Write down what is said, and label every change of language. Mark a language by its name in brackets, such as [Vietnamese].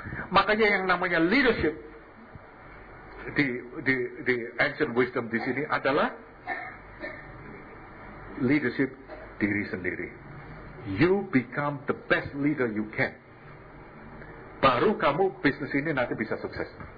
[Indonesian] Makanya yang namanya leadership di [English] ancient wisdom [Indonesian] di sini adalah leadership diri sendiri. [English] You become the best leader you can. [Indonesian] Baru kamu bisnis ini nanti bisa sukses.